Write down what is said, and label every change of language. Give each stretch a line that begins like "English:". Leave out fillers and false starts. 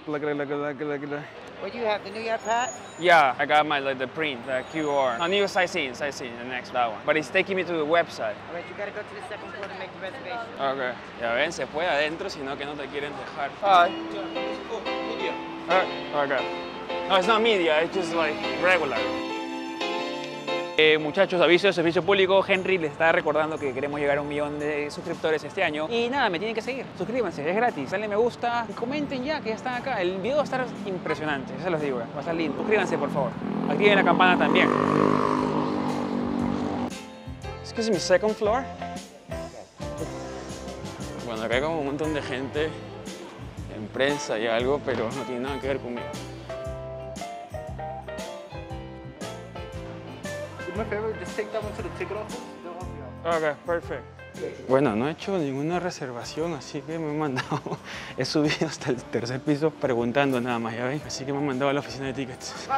English: What do you have? The New York Pass? Yeah, I got my like the print, the QR. A new sightseeing, the next, that one. But it's taking me to the website. All right, you gotta go to the second floor to make the reservation. Okay.
Spanish: Ya ven, se puede adentro, sino que no te quieren dejar.
English: Hi. Media. Okay. No, it's not media, it's just like regular.
Spanish: Muchachos, aviso de servicio público, Henry les está recordando que queremos llegar a 1 millón de suscriptores este año. Y nada, me tienen que seguir, suscríbanse, es gratis, denle me gusta y comenten ya que ya están acá. El video va a estar impresionante, ya se los digo, va a estar lindo. Suscríbanse por favor, activen la campana también.
English: Excuse me, second floor?
Spanish: Bueno, acá hay como un montón de gente en prensa y algo, pero no tiene nada que ver conmigo.
English: me a favor, just take that one to the ticket office. They'll help you out. Okay, perfect.
Spanish: Bueno, no he hecho ninguna reservación, así que me he mandado. He subido hasta el tercer piso preguntando nada más, ya ven. Así que me han mandado a la oficina de tickets.